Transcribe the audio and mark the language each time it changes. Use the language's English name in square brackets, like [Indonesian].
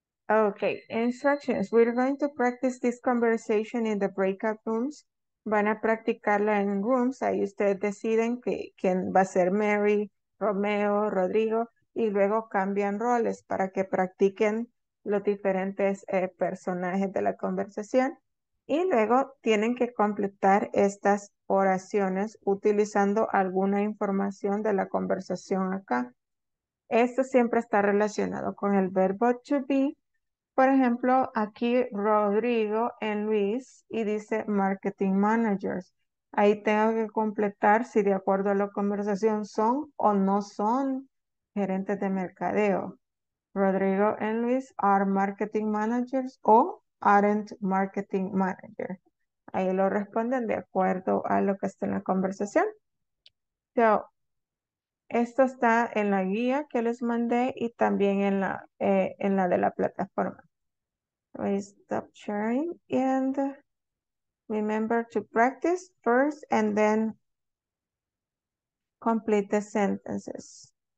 [English] Okay, instructions. We're going to practice this conversation in the breakout rooms. [Spanish] Van a practicarla en rooms. Ahí ustedes deciden que, quién va a ser Mary, Romeo, Rodrigo, y luego cambian roles para que practiquen los diferentes personajes de la conversación. Y luego tienen que completar estas oraciones utilizando alguna información de la conversación acá. Esto siempre está relacionado con el verbo to be. Por ejemplo, aquí Rodrigo en Luis y dice marketing managers. Ahí tengo que completar si de acuerdo a la conversación son o no son gerentes de mercadeo. [English] Rodrigo en Luis are marketing managers o aren't marketing managers. [Spanish] Ahí lo responden de acuerdo a lo que está en la conversación. So, esto está en la guía que les mandé y también en la de la plataforma. [English] Please stop sharing and remember to practice first and then complete the sentences.